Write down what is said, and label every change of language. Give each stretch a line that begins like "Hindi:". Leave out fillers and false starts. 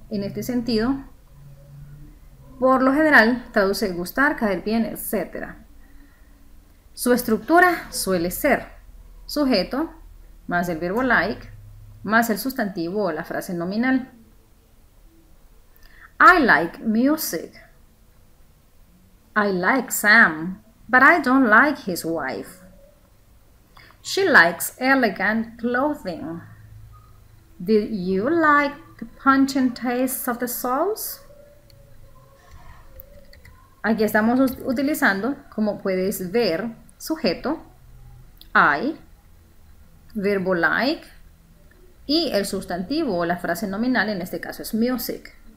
Spanish: En este sentido, por lo general, traduce gustar, caer bien, etc. Su estructura suele ser sujeto más el verbo like más el sustantivo o la frase nominal.
English: I like music. I like Sam, but I don't like his wife. She likes elegant clothing. Did you like the punch and taste of the sauce?
Spanish: Aquí estamos utilizando, como puedes ver, sujeto, I, verbo like y el sustantivo o la frase nominal, en este caso es music.